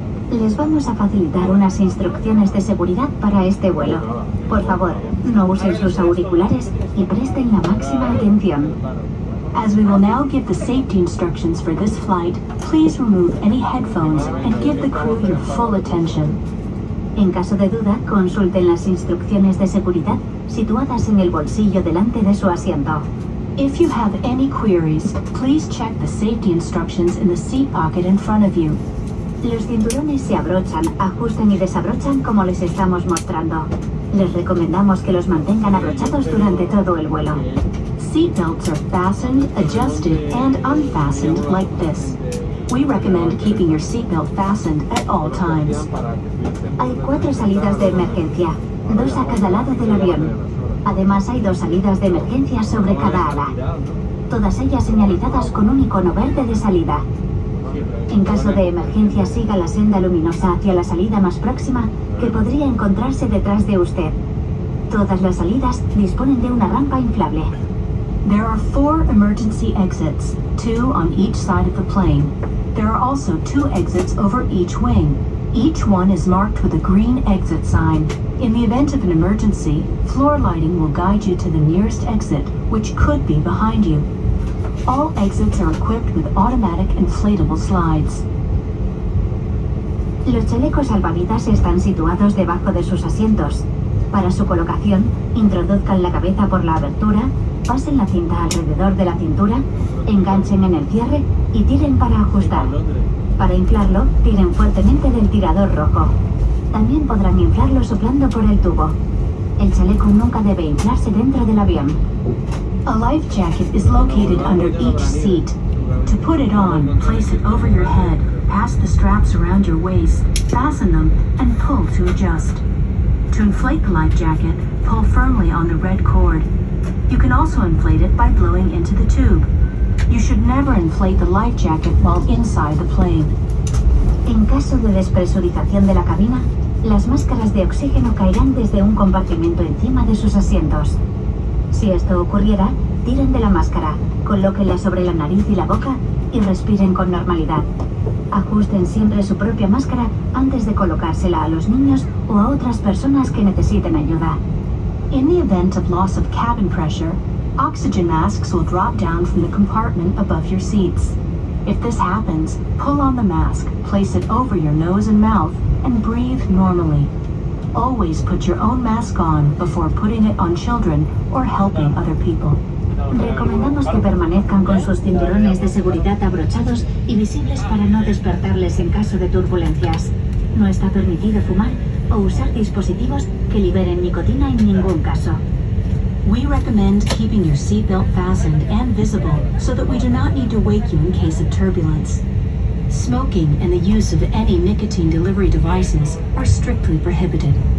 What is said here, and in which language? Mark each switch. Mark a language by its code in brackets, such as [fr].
[es] Les vamos a facilitar unas instrucciones de seguridad para este vuelo. Por favor, no usen sus auriculares y presten la máxima atención. [en] As we will now give the safety instructions for this flight, please remove any headphones and give the crew your full attention. [es] En caso de duda, consulten las instrucciones de seguridad situadas en el bolsillo delante de su asiento. [en] If you have any queries, please check the safety instructions in the seat pocket in front of you. [es] Los cinturones se abrochan, ajustan y desabrochan como les estamos mostrando. Les recomendamos que los mantengan abrochados durante todo el vuelo. [en] Seat belts are fastened, adjusted, and unfastened like this. We recommend keeping your seat belt fastened at all times. [es] Hay cuatro salidas de emergencia, dos a cada lado del avión. Además, hay dos salidas de emergencia sobre cada ala. Todas ellas señalizadas con un icono verde de salida. En caso de emergencia, siga la senda luminosa hacia la salida más próxima que podría encontrarse detrás de usted. Todas las salidas disponen de una rampa inflable. [en] There are 4 emergency exits, 2 on each side of the plane. There are also 2 exits over each wing. Each one is marked with a green exit sign. In the event of an emergency, floor lighting will guide you to the nearest exit, which could be behind you. All exits are equipped with automatic inflatable slides. [es] Los chalecos salvavidas están situados debajo de sus asientos. Para su colocación, introduzcan la cabeza por la abertura, pasen la cinta alrededor de la cintura, enganchen en el cierre y tiren para ajustar. Para inflarlo, tiren fuertemente del tirador rojo. También podrán inflarlo soplando por el tubo. El chaleco nunca debe inflarse dentro del avión. [en] A life jacket is located under each seat. To put it on, place it over your head, pass the straps around your waist, fasten them, and pull to adjust. To inflate the life jacket, pull firmly on the red cord. You can also inflate it by blowing into the tube. You should never inflate the life jacket while inside the plane. [es] En caso de despresurización de la cabina, las máscaras de oxígeno caerán desde un compartimento encima de sus asientos. Si esto ocurriera, tiren de la máscara, colóquenla sobre la nariz y la boca y respiren con normalidad. Ajusten siempre su propia máscara antes de colocársela a los niños o a otras personas que necesiten ayuda. [en] In the event of loss of cabin pressure, oxygen masks will drop down from the compartment above your seats. If this happens, pull on the mask, place it over your nose and mouth, and breathe normally. Always put your own mask on before putting it on children or helping other people. [es] Recomendamos que permanezcan con sus cinturones de seguridad abrochados y visibles para no despertarles en caso de turbulencias. No está permitido fumar o usar dispositivos que liberen nicotina en ningún caso. [en] We recommend keeping your seatbelt fastened and visible so that we do not need to wake you in case of turbulence. Smoking and the use of any nicotine delivery devices are strictly prohibited.